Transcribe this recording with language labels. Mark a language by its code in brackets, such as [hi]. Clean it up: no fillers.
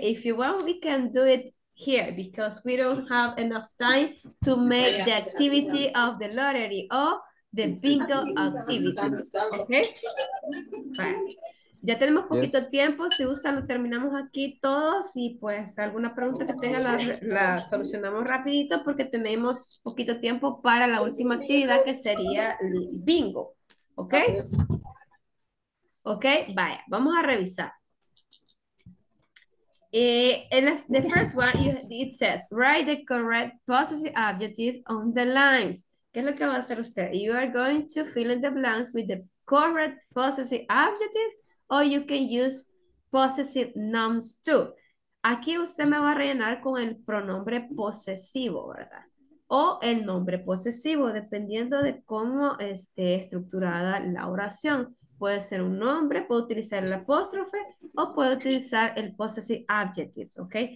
[en] If you want, we can do it here because we don't have enough time to make the activity of the lottery or the bingo activity. [es] Okay. Ya tenemos poquito tiempo. Si gustan, lo terminamos aquí todos y pues alguna pregunta que tenga la solucionamos rapidito porque tenemos poquito tiempo para la última actividad que sería el bingo. Okay. Okay. Vaya. Vamos a revisar. [en] In the first one, it says, write the correct possessive adjective on the lines. [es] ¿Qué es lo que va a hacer usted? [en] You are going to fill in the blanks with the correct possessive adjective, or you can use possessive nouns too. [es] Aquí usted me va a rellenar con el pronombre posesivo, ¿verdad? O el nombre posesivo, dependiendo de cómo esté estructurada la oración. Puede ser un nombre, puede utilizar el apóstrofe o puede utilizar el possessive adjective, ¿ok?